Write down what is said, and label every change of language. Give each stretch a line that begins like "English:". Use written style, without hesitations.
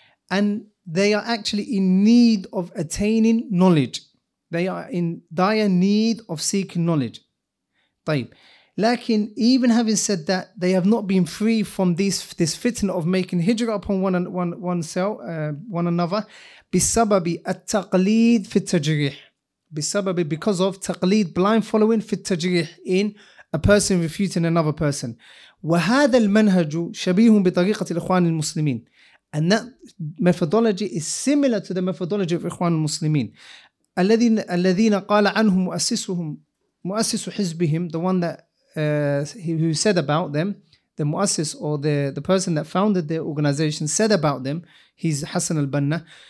English: And they are actually in need of attaining knowledge. They are in dire need of seeking knowledge.
Arabic: طيب.
English: Lakin, even having said that, they have not been free from this fitna of making hijrah upon one another.
Arabic: بسبب التقليد في التجريح.
English: بسبب, because of تقليد, blind following,
Arabic: في التجريح,
English: in a person refuting another person.
Arabic: وهذا المنهج شبيه بطريقة الإخوان المسلمين.
English: And that methodology is similar to the methodology of Ikhwan al-Muslimin.
Arabic: الَّذِينَ قَالَ عَنْهُمْ مُؤَسِّسُ حِزْبِهِمْ,
English: the one that who said about them, the muassis or the person that founded their organization said about them, he's Hassan al-Banna.